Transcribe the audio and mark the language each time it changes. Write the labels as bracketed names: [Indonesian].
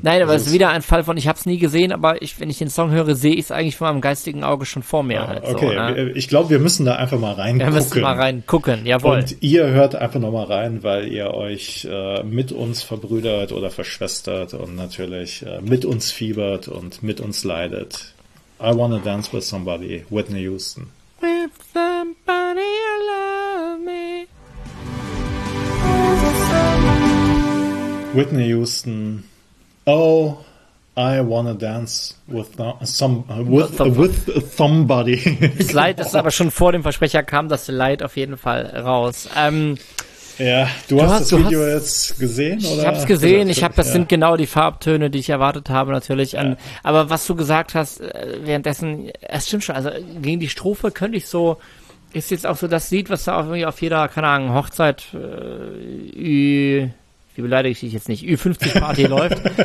[German] Nein, aber also es ist wieder ein Fall von, ich habe es nie gesehen, aber ich, wenn ich den Song höre, sehe ich es eigentlich von meinem geistigen Auge schon vor mir. Ah, halt okay, so, ne? Ich glaube, wir müssen da einfach mal reingucken. Wir müssen mal reingucken, jawohl. Und ihr hört einfach nochmal rein, weil ihr euch mit uns verbrüdert oder verschwestert und natürlich mit uns fiebert und mit uns leidet. [English] I Wanna Dance With Somebody, Whitney Houston. With somebody you love me. Whitney Houston, oh, I wanna dance with somebody. [German] Das Leid ist aber schon vor dem Versprecher kam, das Leid auf jeden Fall raus. Ja, du hast das Video jetzt gesehen, oder? Ich hab's gesehen, sind genau die Farbtöne, die ich erwartet habe, natürlich. Ja. Aber was du gesagt hast, währenddessen, es stimmt schon, also gegen die Strophe könnte ich so, ist jetzt auch so das Lied, was da auch irgendwie auf jeder, keine Ahnung, Hochzeit, wie beleidige ich dich jetzt nicht, Ü50-Party läuft.